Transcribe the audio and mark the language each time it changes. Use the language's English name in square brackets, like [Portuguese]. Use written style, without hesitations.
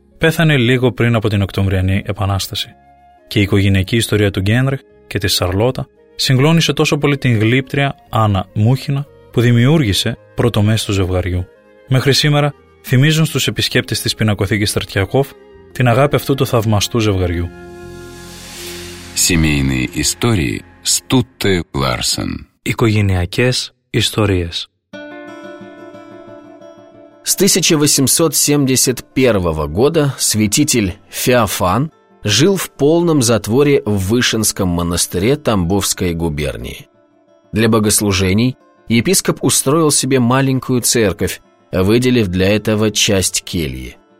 [Greek] Πέθανε λίγο πριν από την Οκτωβριανή Επανάσταση. Και η οικογενειακή ιστορία του Γένριχ και της Σαρλότα συγκλώνησε τόσο πολύ την γλύπτρια Άννα Μούχινα που δημιούργησε πρωτομές του ζευγαριού. Μέχρι σήμερα θυμίζουν στους επισκέπτες της πινακοθήκης Στρατιακόφ την αγάπη αυτού του θαυμαστού ζευγαριού. [Russian] Семейные истории Стутте Ларсен. [Greek] Οικογενειακές ιστορίες. [Russian] С 1871 года святитель Феофан жил в полном затворе в Вышинском монастыре Тамбовской губернии. Для богослужений епископ устроил себе маленькую церковь, выделив для этого часть кельи.